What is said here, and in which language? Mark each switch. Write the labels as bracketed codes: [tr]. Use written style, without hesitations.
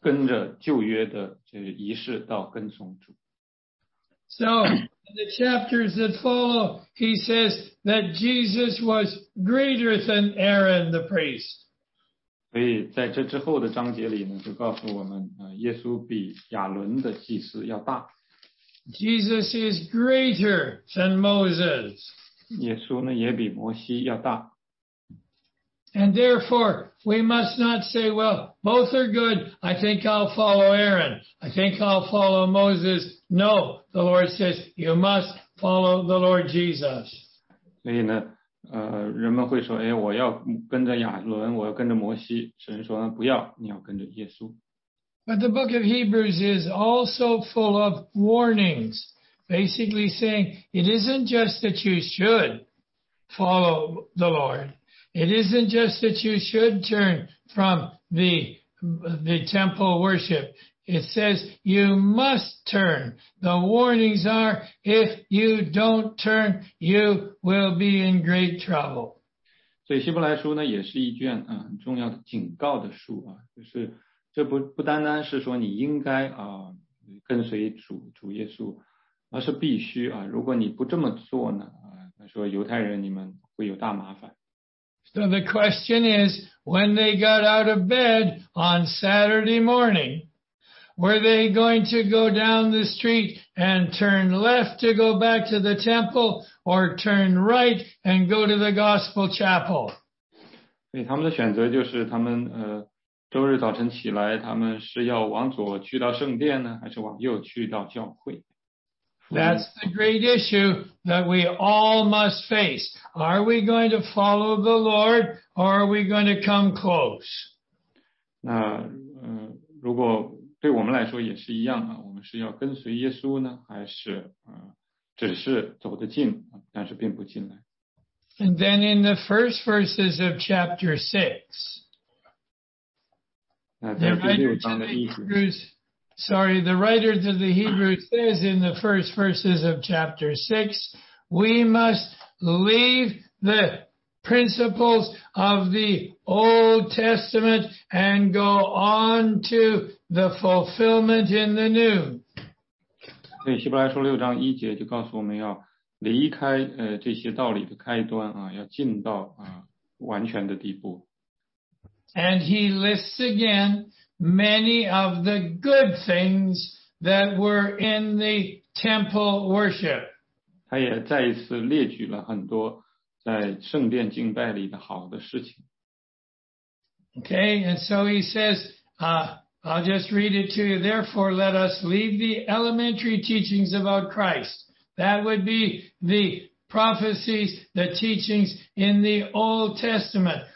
[zh] 所以呢，他们需要有一个明确的分界，从跟着旧约的这个仪式到跟从主。 [en] So in the chapters that follow, he says that Jesus was greater than Aaron the priest. [zh] 所以在这之后的章节里呢，就告诉我们，耶稣比亚伦的祭司要大。Jesus [en] is greater than Moses. [zh] 耶稣呢也比摩西要大。 [en] And therefore, we must not say, well, both are good. I think I'll follow Aaron. I think I'll follow Moses. No, the Lord says, you must follow the Lord Jesus. [zh] 所以呢，人们会说，哎，我要跟着亚伦，我要跟着摩西。神说，不要，你要跟着耶稣。 [en] But the book of Hebrews is also full of warnings, basically saying, it isn't just that you should follow the Lord. It isn't just that you should turn from the temple worship. It says you must turn. The warnings are, if you don't turn, you will be in great trouble. [zh] 所以希伯来书呢，也是一卷很重要的警告的书啊，就是这不单单是说你应该啊跟随主耶稣，而是必须啊。如果你不这么做呢，他说犹太人你们会有大麻烦。 [en] So the question is, when they got out of bed on Saturday morning, were they going to go down the street and turn left to go back to the temple or turn right and go to the gospel chapel? [zh] 所以他们的选择就是他们周日早晨起来，他们是要往左去到圣殿呢，还是往右去到教会？ [en] That's the great issue that we all must face. Are we going to follow the Lord or are we going to come close? [zh] 那如果对我们来说也是一样啊，我们是要跟随耶稣呢，还是只是走得近，但是并不进来。 [en] And then in the first verses of chapter 6, the writer to the Hebrews says in the first verses of chapter 6, we must leave the principles of the Old Testament and go on to the fulfillment in the New. [zh] 对，希伯来书六章一节就告诉我们要离开这些道理的开端啊，要进到完全的地步。 [en] And he lists again many of the good things that were in the temple worship. [zh] 他也再一次列举了很多在圣殿敬拜里的好的事情。 [en] Okay, and so he says, I'll just read it to you. Therefore, let us leave the elementary teachings about Christ. That would be the prophecies, the teachings in the Old Testament.